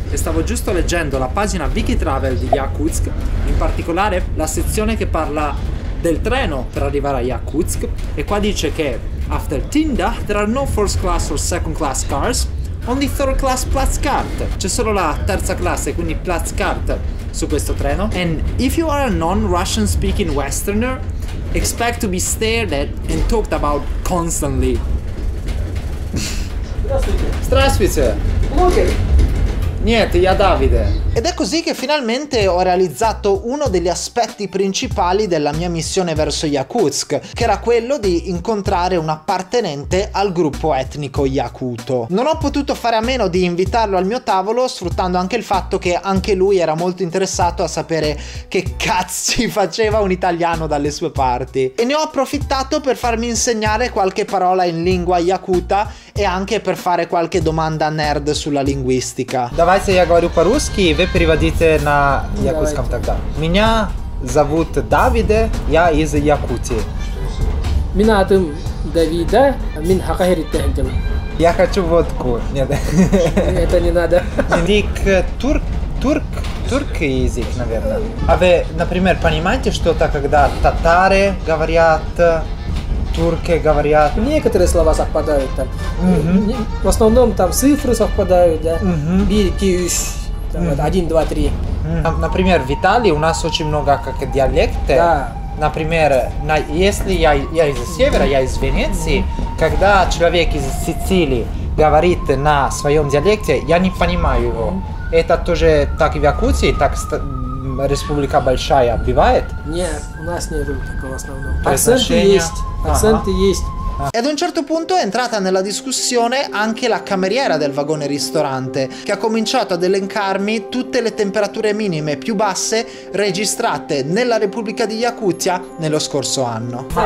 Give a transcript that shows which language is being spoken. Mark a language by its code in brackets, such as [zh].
[it] Stavo giusto leggendo la pagina Wiki Travel di Yakutsk, in particolare la sezione che parla del treno per arrivare a Yakutsk, e qua dice che [en] after Tinda there are no first class or second class cars, only third class Platzkart. [it] C'è solo la terza classe, quindi Platzkart, su questo treno. [en] And if you are a non-Russian speaking westerner, expect to be stared at and talked about constantly. [ru] Здравствуйте. Здравствуйте. [it] Niente, io Davide. Ed è così che finalmente ho realizzato uno degli aspetti principali della mia missione verso Yakutsk, che era quello di incontrare un appartenente al gruppo etnico Yakuto. Non ho potuto fare a meno di invitarlo al mio tavolo, sfruttando anche il fatto che anche lui era molto interessato a sapere che cazzi faceva un italiano dalle sue parti. E ne ho approfittato per farmi insegnare qualche parola in lingua Yakuta e anche per fare qualche domanda nerd sulla linguistica. [ru] Давайте я говорю по-русски, и вы переводите на якутском тогда. Меня зовут Давиде, я из Якутии. Меня зовут Давида, [sah] мин хакагерит тэнтэм. [ru] Я хочу водку. Нет. Это не надо. Язык турк, турки язык, наверное. А вы, например, понимаете что-то, когда татары говорят, турки говорят? Некоторые слова совпадают там. В основном там цифры совпадают, да? Бирикиюш, один, два, три. Например, в Италии у нас очень много как диалекты. Да. Например, если я из севера, я из Венеции, когда человек из Сицилии говорит на своем диалекте, я не понимаю его. Это тоже так в Якутии, так республика большая бывает? Нет, у нас нет такого в основном. Акценты есть. Акценты есть, [it] E ad un certo punto è entrata nella discussione anche la cameriera del vagone ristorante, che ha cominciato ad elencarmi tutte le temperature minime più basse registrate nella Repubblica di Yakutia nello scorso anno.